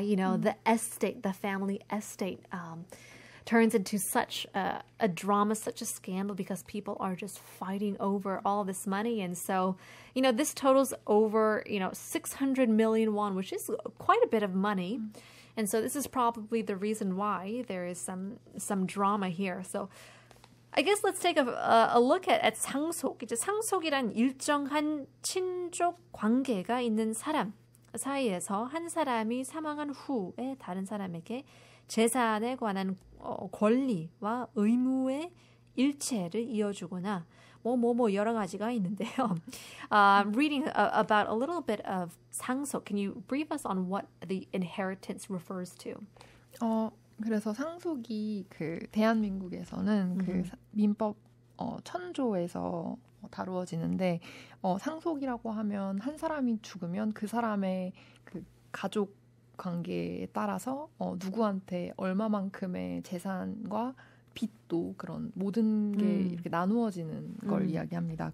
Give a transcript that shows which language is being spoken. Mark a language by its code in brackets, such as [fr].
[en] You know, the estate, the family estate, turns into such a drama, such a scandal, because people are just fighting over all this money. And so, you know, this totals over, you know, 600 million won, which is quite a bit of money. And so this is probably the reason why there is some drama here. So I guess let's take a look at 상속. [ko] 이제 상속이란 일정한 친족 관계가 있는 사람 사이에서 한 사람이 사망한 후에 다른 사람에게 재산에 관한 권리와 의무의 일체를 이어주거나 뭐뭐뭐 여러 가지가 있는데요. [en] Reading about a little bit of 상속, can you brief us on what the inheritance refers to? [ko] 그래서 상속이 그 대한민국에서는 그 민법 천조에서 다루어지는데 상속이라고 하면 한 사람이 죽으면 그 사람의 그 가족 관계에 따라서 누구한테 얼마만큼의 재산과 빚도 그런 모든 게 이렇게 나누어지는 걸 이야기합니다.